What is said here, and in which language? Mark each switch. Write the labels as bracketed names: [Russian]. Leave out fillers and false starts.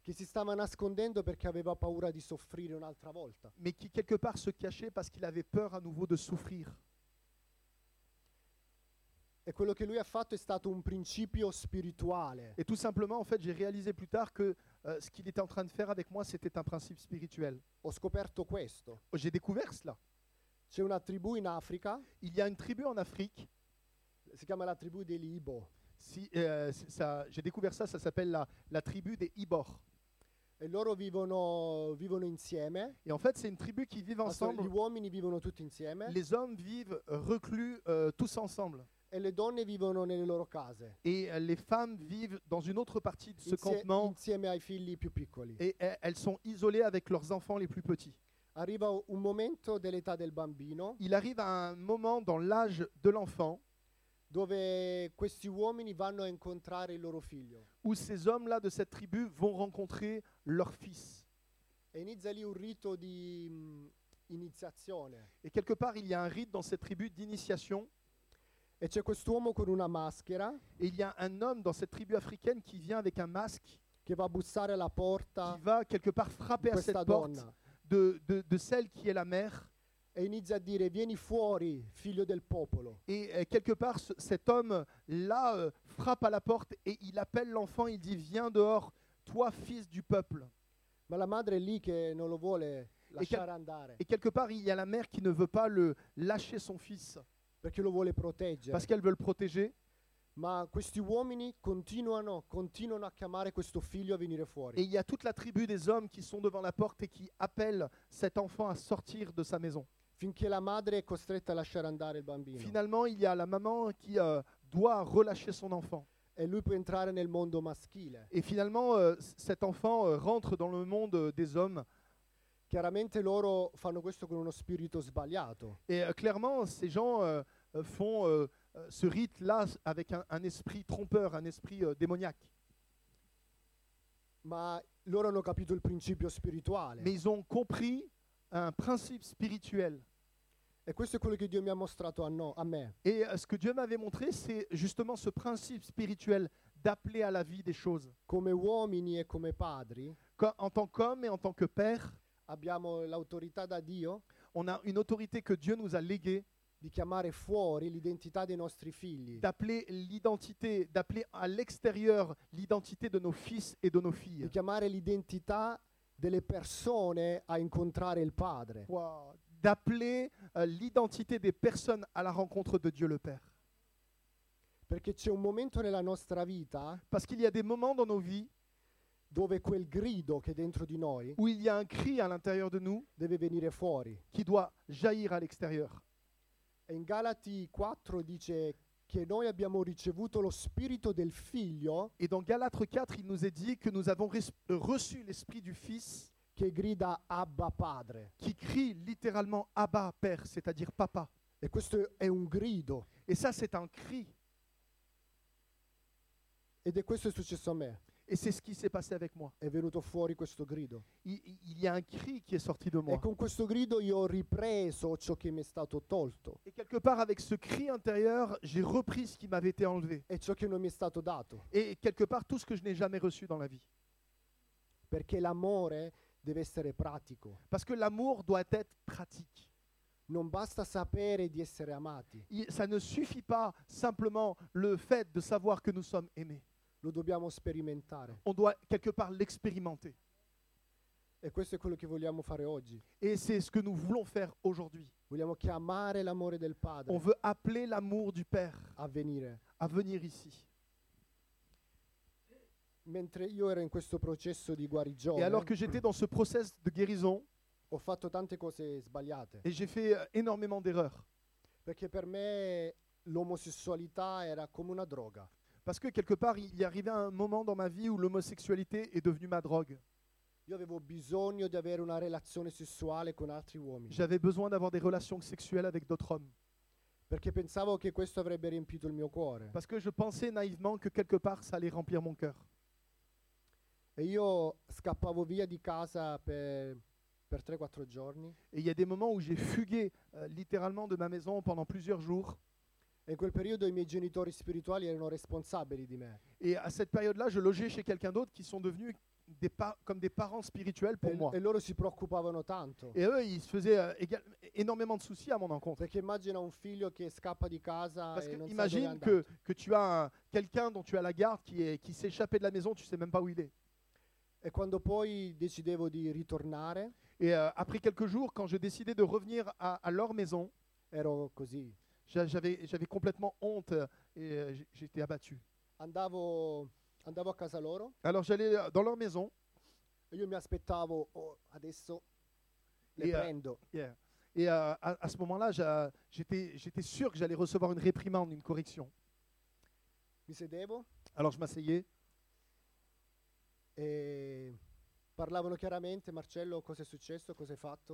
[Italian] Che si stava nascondendo perché aveva paura di soffrire un'altra volta. [French] Mais qui quelque part se cachait parce qu'il avait peur à nouveau de souffrir. [Italian] E quello che lui ha fatto è stato un principio spirituale. [French] Et tout simplement, en fait, j'ai réalisé plus tard que ce qu'il était en train de faire avec moi, c'était un principe spirituel. [Italian] Ho scoperto questo. [French] J'ai découvert cela. [Italian] C'è una tribù in Africa. [French] Il y a une tribu en Afrique. [Italian] Si chiama la tribù dei Ibo. [French] Si, j'ai découvert ça. Ça s'appelle la tribu des Ibor. [Italian] E loro vivono insieme. [French] Et en fait, c'est une tribu qui vit ensemble. [Italian] Gli uomini vivono tutti insieme. [French] Les hommes vivent reclus tous ensemble. [Italian] E le donne vivono nelle loro case. [French] Et les femmes vivent dans une autre partie de ce campement. [Italian] Insieme ai figli più piccoli. [French] Et elles sont isolées avec leurs enfants les plus petits. [Italian] Arriva un momento dell'età del bambino. [French] Il arrive à un moment dans l'âge de l'enfant. [Italian] Dove questi uomini vanno a incontrare il loro figlio. [French] Où ces hommes-là de cette tribu vont rencontrer leur fils. [Italian] E inizia lì un rito di iniziazione. [French] Et quelque part, il y a un rite dans cette tribu d'initiation. [Italian] E c'è quest'uomo con una maschera. [French] Et il y a un homme dans cette tribu africaine qui vient avec un masque. [Italian] Che va a bussare alla porta. [French] Qui va quelque part frapper à cette [Italian] donna. [French] Porte. De celle qui est la mère. [Italian] E inizia a dire vieni fuori figlio del popolo. [French] Et quelque part cet homme là frappe à la porte et il appelle l'enfant, il dit viens dehors toi fils du peuple. [Italian] Ma la madre è lì che non lo vuole lasciare andare. [French] Et quelque part il y a la mère qui ne veut pas le lâcher son fils. [Italian] Perché lo vuole proteggere. [French] Parce qu'elle veut le protéger. [Italian] Ma questi uomini continuano a chiamare questo figlio a venire fuori. [French] Et il y a toute la tribu des hommes qui sont devant la porte et qui appellent cet enfant à sortir de sa maison. [Italian] Finché la madre è costretta a lasciare andare il bambino. [French] Finalement, il y a la maman qui doit relâcher son enfant. [Italian] E lui può entrare nel mondo maschile. [French] Et finalement, cet enfant rentre dans le monde des hommes. [Italian] Chiaramente loro fanno questo con uno spirito sbagliato. [French] Et clairement, ces gens font... ce rite-là avec un esprit trompeur, un esprit démoniaque. [Italian] Ma loro hanno capito il principio spirituale. [French] Mais ils ont compris un principe spirituel. [Italian] E questo è quello che Dio mi ha mostrato a me. [French] Et ce que Dieu m'avait montré, c'est justement ce principe spirituel d'appeler à la vie des choses. [Italian] Come uomini e come padri, [French] en tant qu'homme et en tant que père, [Italian] abbiamo l'autorità da Dio, [French] on a une autorité que Dieu nous a léguée. [Italian] Di chiamare fuori l'identità dei nostri figli. [French] D'appeler l'identité, d'appeler à l'extérieur l'identité de nos fils et de nos filles. [Italian] Di chiamare l'identità delle persone a incontrare il Padre. Wow. [French] D'appeler l'identité des personnes à la rencontre de Dieu le Père. [Italian] Perché c'è un momento nella nostra vita. [French] Parce qu'il y a des moments dans nos vies. [Italian] Dove quel grido che è dentro di noi. [French] Où il y a un cri à l'intérieur de nous. [Italian] Deve venire fuori. [French] Qui doit jaillir à l'extérieur. [Italian] In Galati 4 dice che noi abbiamo ricevuto lo spirito del figlio. [French] E dans Galates 4, il nous est dit que nous avons reçu l'esprit du fils. [Italian] Che grida Abba padre. [French] Qui crie littéralement Abba père, c'est-à-dire papa. [Italian] E questo è un grido. [French] Et ça c'est un cri. [Italian] Ed è questo successo a me. [French] Et c'est ce qui s'est passé avec moi. [Italian] È venuto fuori questo grido. [French] Il y a un cri qui est sorti de moi. [Italian] E con questo grido io ho ripreso ciò che mi è stato tolto. [French] Et quelque part avec ce cri intérieur, j'ai repris ce qui m'avait été enlevé. [Italian] E ciò che non mi è stato dato. [French] Et quelque part tout ce que je n'ai jamais reçu dans la vie. [Italian] Perché l'amore deve essere pratico. [French] Parce que l'amour doit être pratique. [Italian] Non basta sapere di essere amati. [French] Ça ne suffit pas simplement le fait de savoir que nous sommes aimés. [Italian] Lo dobbiamo sperimentare. [French] On doit quelque part l'expérimenter. [Italian] E questo è quello che vogliamo fare oggi. [French] Et c'est ce que nous voulons faire aujourd'hui. [Italian] Vogliamo chiamare l'amore del Padre. [French] On veut appeler l'amour du Père. A venir ici. [Italian] Mentre io ero in questo processo di guarigione. [French] Et alors que j'étais dans ce process de guérison. [Italian] Ho fatto tante cose sbagliate. [French] Et j'ai fait énormément d'erreurs. [Italian] Perché per me l'omosessualità era come una droga. [French] Parce que quelque part, il y arrivait un moment dans ma vie où l'homosexualité est devenue ma drogue. [Italian] Io avevo bisogno di avere una relazione sessuale con altri uomini. [French] J'avais besoin d'avoir des relations sexuelles avec d'autres hommes. [Italian] Perché pensavo che questo avrebbe riempito il mio cuore. [French] Parce que je pensais naïvement que quelque part, ça allait remplir mon cœur. [Italian] E io scappavo via di casa per 3-4 giorni. [French] Et il y a des moments où j'ai fugué littéralement de ma maison pendant plusieurs jours. [Italian] E in quel periodo i miei genitori spirituali erano responsabili di me. [French] Et à cette période-là, je logeais chez quelqu'un d'autre qui sont devenus comme des parents spirituels pour moi. [Italian] E loro si preoccupavano tanto. [French] Et eux, ils se faisaient énormément de soucis à mon encontre. [Italian] Perché immagina un figlio che scappa di casa. [French] Parce [Italian] e non [French] imagine [Italian] sa dove è andato. [French] Que tu as quelqu'un dont tu as la garde qui s'est échappé de la maison, tu sais même pas où il est. [Italian] E quando poi decidevo di ritornare. [French] Et après quelques jours, quand je décidais de revenir à leur maison. [Italian] Ero così. [French] J'avais complètement honte et j'étais abattu. [Italian] Andavo a casa loro. [French] Alors j'allais dans leur maison. [Italian] E io mi aspettavo, oh, adesso le prendo. Yeah. [French] Et à ce moment-là, j'étais sûr que j'allais recevoir une réprimande, une correction. [Italian] Mi sedevo. [French] Alors je m'asseyais. [Italian] Et parlavano chiaramente, Marcello, cosa è successo, cosa hai fatto?